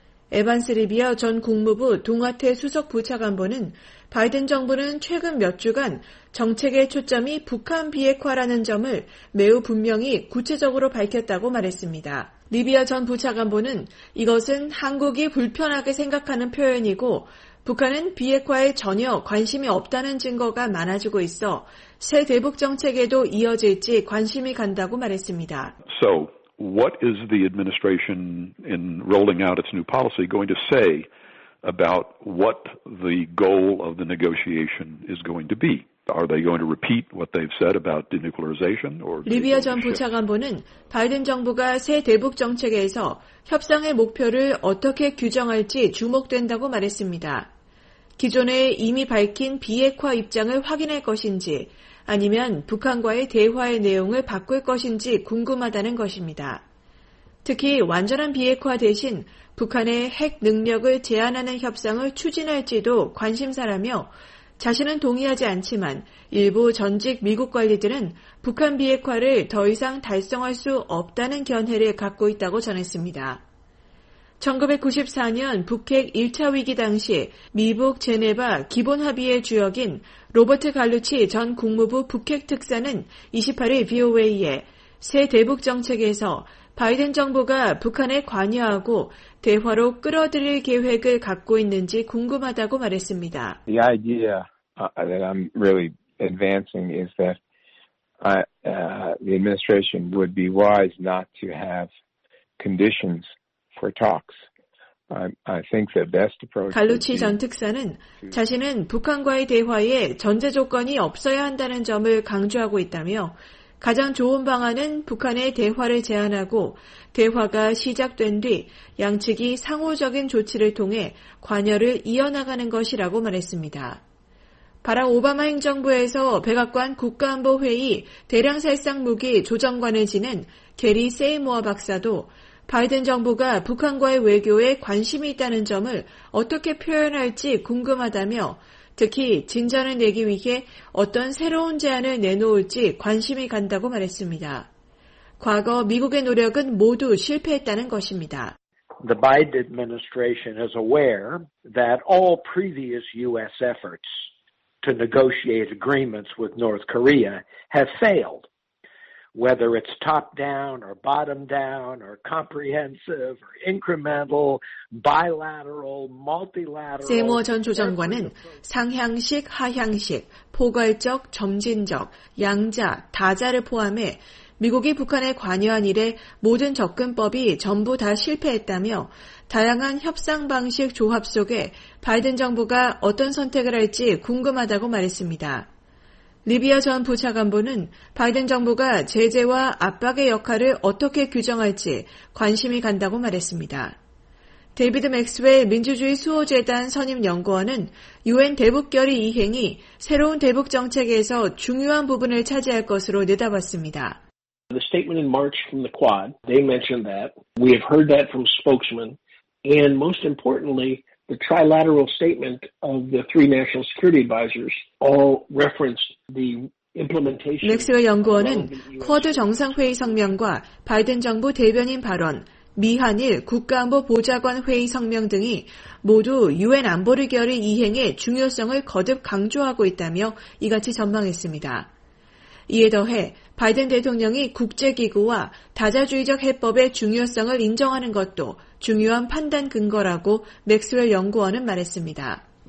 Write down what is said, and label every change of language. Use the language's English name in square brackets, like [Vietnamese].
[Korean] 에반스 리비어 전 국무부 동아태 수석 부차관보는 바이든 정부는 최근 몇 주간 정책의 초점이 북한 비핵화라는 점을 매우 분명히 구체적으로 밝혔다고 말했습니다. 리비어 전 부차관보는 이것은 한국이 불편하게 생각하는 표현이고 북한은 비핵화에 전혀 관심이 없다는 증거가 많아지고 있어 새 대북 정책에도 이어질지 관심이 간다고 말했습니다. [English] So, what is the administration in rolling out its new policy going to say about what the goal of the negotiation is going to be? Are they going to repeat what they've said about denuclearization? [Korean] 리비아 전 부차관보는 바이든 정부가 새 대북 정책에서 협상의 목표를 어떻게 규정할지 주목된다고 말했습니다. 기존에 이미 밝힌 비핵화 입장을 확인할 것인지 아니면 북한과의 대화의 내용을 바꿀 것인지 궁금하다는 것입니다. 특히 완전한 비핵화 대신 북한의 핵 능력을 제한하는 협상을 추진할지도 관심사라며 자신은 동의하지 않지만 일부 전직 미국 관리들은 북한 비핵화를 더 이상 달성할 수 없다는 견해를 갖고 있다고 전했습니다. 1994년 북핵 1차 위기 당시 미북 제네바 기본 합의의 주역인 로버트 갈루치 전 국무부 북핵 특사는 28일 VOA에 새 대북 정책에서 바이든 정부가 북한에 관여하고 대화로 끌어들일 계획을 갖고 있는지 궁금하다고 말했습니다. [English] The idea that I'm really advancing is that the administration would be wise not to have conditions for talks. I think the best approach. [Korean] 갈루치 전 특사는 자신은 북한과의 대화에 전제 조건이 없어야 한다는 점을 강조하고 있다며 가장 좋은 방안은 북한의 대화를 제안하고 대화가 시작된 뒤 양측이 상호적인 조치를 통해 관여를 이어나가는 것이라고 말했습니다. 바락 오바마 행정부에서 백악관 국가안보회의 대량살상무기 조정관을 지낸 게리 세이모어 박사도 바이든 정부가 북한과의 외교에 관심이 있다는 점을 어떻게 표현할지 궁금하다며 특히 진전을 내기 위해 어떤 새로운 제안을 내놓을지 관심이 간다고 말했습니다. 과거 미국의 노력은 모두 실패했다는 것입니다. [English] The Biden administration is aware that all previous U.S. efforts to negotiate agreements with North Korea have failed, whether it's top-down or bottom-down or comprehensive or incremental, bilateral, multilateral. [Korean] 세모 전 조정관은 상향식, 하향식, 포괄적, 점진적, 양자, 다자를 포함해 미국이 북한에 관여한 일에 모든 접근법이 전부 다 실패했다며 다양한 협상 방식 조합 속에 바이든 정부가 어떤 선택을 할지 궁금하다고 말했습니다. 리비아 전 부차관보는 바이든 정부가 제재와 압박의 역할을 어떻게 규정할지 관심이 간다고 말했습니다. 데이비드 맥스웰 민주주의 수호재단 선임연구원은 유엔 대북결의 이행이 새로운 대북정책에서 중요한 부분을 차지할 것으로 내다봤습니다. [English] The statement in March from the Quad, they mentioned that. We have heard that from spokesmen. And most importantly, the trilateral statement of the three national security advisors all referenced the implementation. [Korean] 맥스웰 연구원은 쿼드 정상회의 성명과 바이든 정부 대변인 발언, 미 한일 국가안보 보좌관 회의 성명 등이 모두 유엔 안보리 결의 이행의 중요성을 거듭 강조하고 있다며 이같이 전망했습니다. 이에 더해 바이든 대통령이 국제기구와 다자주의적 해법의 중요성을 인정하는 것도 중요한 판단 근거라고 맥스웰 연구원은 말했습니다.